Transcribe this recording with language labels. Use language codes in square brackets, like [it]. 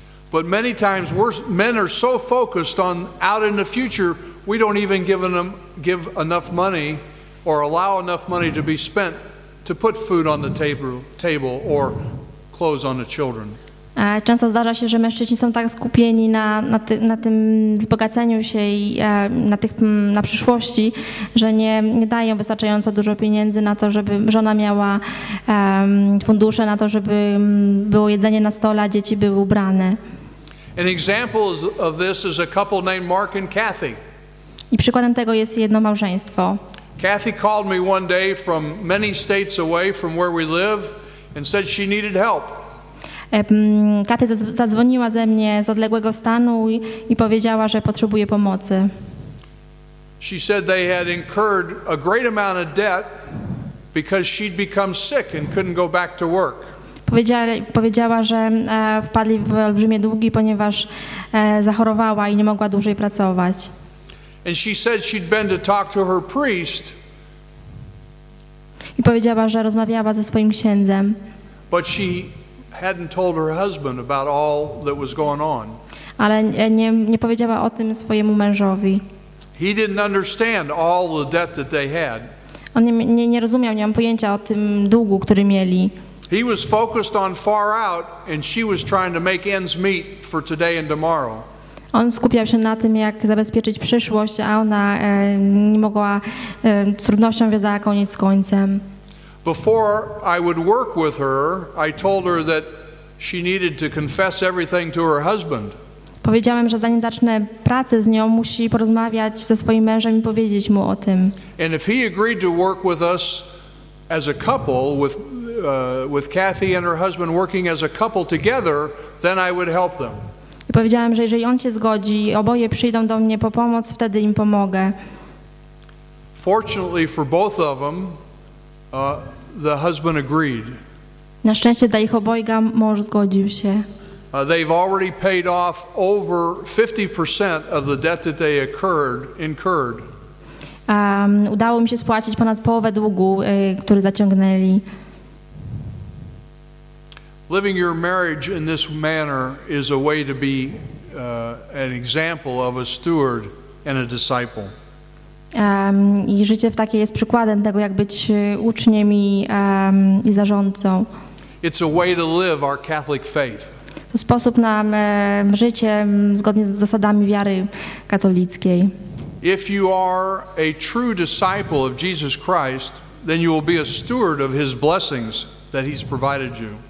[en] But many times men are so focused on out in the future, we don't even give enough money or allow enough money to be spent to put food on the table or clothes on the children. [pl] Często zdarza się, że mężczyźni są tak skupieni na tym wzbogaceniu się i na przyszłości, że nie dają wystarczająco dużo pieniędzy na to, żeby żona miała fundusze na to, żeby było jedzenie na stole, a dzieci były ubrane. [en] An example of this is a couple named Mark and Kathy. [pl] I przykładem tego jest jedno małżeństwo. [en] Kathy called me one day from many states away from where we live and said she needed help. [pl] Kathy zadzwoniła ze mnie z odległego stanu i powiedziała, że potrzebuje pomocy. [en] She said they had incurred a great amount of debt because she'd become sick and couldn't go back to work. [pl] Powiedziała, że wpadli w olbrzymie długi, ponieważ zachorowała i nie mogła dłużej pracować. [en] And she said she'd been to talk to her priest. [pl] I powiedziała, że rozmawiała ze swoim księdzem. [en] But she hadn't told her husband about all that was going on. [pl] Ale nie powiedziała o tym swojemu mężowi. [en] He didn't understand all the debt that they had. [pl] On nie rozumiał, nie miał pojęcia o tym długu, który mieli. [en] He was focused on far out, and she was trying to make ends meet for today and tomorrow. [pl] On skupiał się na tym, jak zabezpieczyć przyszłość, a ona nie mogła, z trudnością wiązała koniec z końcem. [en] Before I would work with her, I told her that she needed to confess everything to her husband. [pl] Powiedziałem, że zanim zacznę pracę z nią, musi porozmawiać ze swoim mężem i powiedzieć mu o tym. [en] And if he agreed to work with us as a couple, with Kathy and her husband working as a couple together, then I would help them. [pl] I powiedziałem, że jeżeli on się zgodzi, oboje przyjdą do mnie po pomoc, wtedy im pomogę. [en] Fortunately for both of them, the husband agreed. [pl] Na szczęście dla ich obojga mąż zgodził się. [en] They've already paid off over 50% of the debt that they incurred. [pl] Udało mi się spłacić ponad połowę długu, który zaciągnęli. [en] Living your marriage in this manner is a way to be an example of a steward and a disciple. [pl] I życie w takiej jest przykładem tego, jak być uczniem i zarządcą. [en] It's a way to live our Catholic faith. [pl] To sposób na życie zgodnie z zasadami wiary katolickiej. [en] If you are a true disciple of Jesus Christ, then you will be a steward of his blessings that he's provided you.